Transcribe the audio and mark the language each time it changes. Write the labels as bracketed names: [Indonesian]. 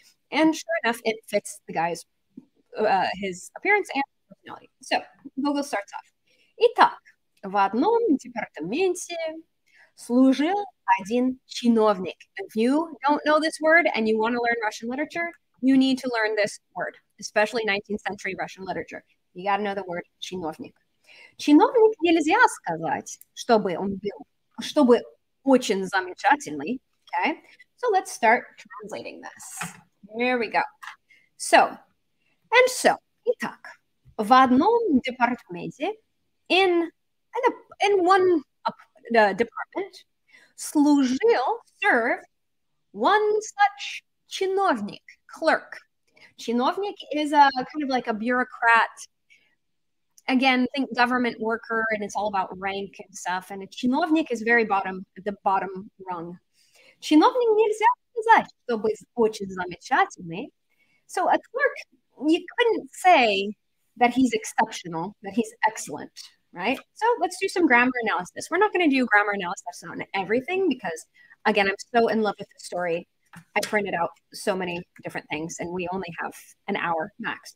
[English] And sure enough, it fits the guy's his appearance and personality. So Gogol starts off. [Russian] Итак, в одном департаменте служил один чиновник. [English] If you don't know this word and you want to learn Russian literature, you need to learn this word, especially 19th century Russian literature. You got to know the word чиновник. [Russian] Чиновник нельзя сказать, чтобы он был, чтобы очень замечательный. [English] Okay, so let's start translating this. Here we go. So, [Russian] итак, в одном департаменте, [English] in one department, [Russian] служил, [English] served, one such чиновник, clerk. Чиновник is a kind of like a bureaucrat. Again, think government worker, and it's all about rank and stuff. And a чиновник is very bottom, the bottom rung. [Russian] Чиновник нельзя сказать, чтобы очень замечательный. [English] So a clerk, you couldn't say that he's exceptional, that he's excellent, right? So let's do some grammar analysis. We're not going to do grammar analysis on everything because, again, I'm so in love with the story. I printed out so many different things, and we only have an hour max.